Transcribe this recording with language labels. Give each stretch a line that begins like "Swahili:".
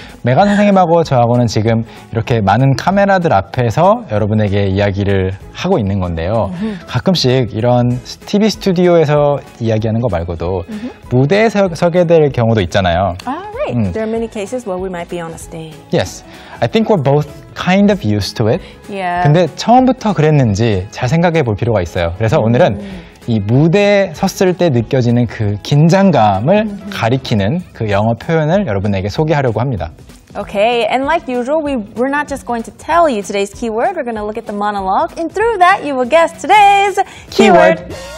Korean: 메가 선생님하고 저하고는 지금 이렇게 많은 카메라들 앞에서 여러분에게 이야기를 하고 있는 건데요. 가끔씩 이런 TV 스튜디오에서 이야기하는 거 말고도 무대에 서게 될 경우도 있잖아요.
English: There are many cases where we might be on a stage. Yes. I think we're both kind of used to it. Yeah.
Korean: 근데 처음부터 그랬는지 잘 생각해 볼 필요가 있어요. 그래서 오늘은 이 무대에 섰을 때 느껴지는 그 긴장감을 가리키는 그 영어 표현을 여러분에게 소개하려고 합니다.
English: Okay, and like usual, we're not just going to tell you today's keyword. We're going to look at the monologue, and through that, you will guess today's keyword.